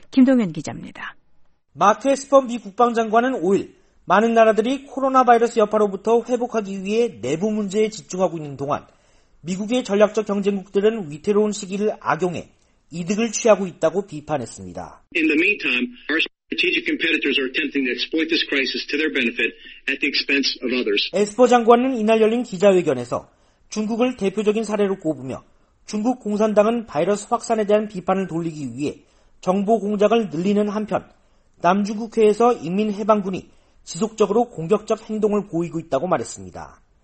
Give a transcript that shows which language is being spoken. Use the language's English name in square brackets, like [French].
[Korean] 김동현 기자입니다. 마크 에스퍼 미 국방장관은 5일 많은 나라들이 코로나 바이러스 여파로부터 회복하기 위해 내부 문제에 집중하고 있는 동안 미국의 전략적 경쟁국들은 위태로운 시기를 악용해 이득을 취하고 있다고 비판했습니다. [English] In the meantime, our strategic competitors are attempting to exploit this crisis to their benefit at the expense of others. [Korean] 에스퍼 장관은 이날 열린 기자회견에서 중국을 대표적인 사례로 꼽으며 중국 공산당은 바이러스 확산에 대한 비판을 돌리기 위해 정보 공작을 늘리는 한편 남중국해에서 인민해방군이 지속적으로 공격적 행동을 보이고 있다고 말했습니다.